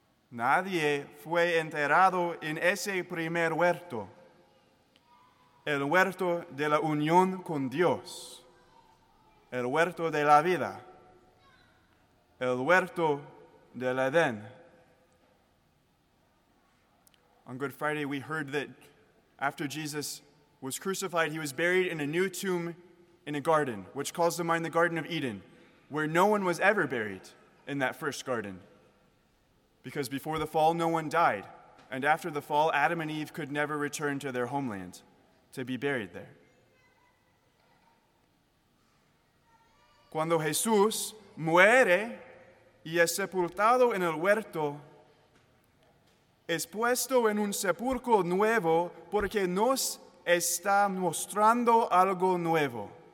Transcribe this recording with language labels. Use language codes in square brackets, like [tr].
[es] Nadie fue enterrado en ese primer huerto, el huerto de la unión con Dios, el huerto de la vida, el huerto del Edén. [en] On Good Friday, we heard that after Jesus was crucified, he was buried in a new tomb in a garden, which calls to mind the Garden of Eden, where no one was ever buried in that first garden. Because before the fall, no one died. And after the fall, Adam and Eve could never return to their homeland to be buried there. [es] Cuando Jesús muere y es sepultado en el huerto, es puesto en un sepulcro nuevo porque nos está mostrando algo nuevo.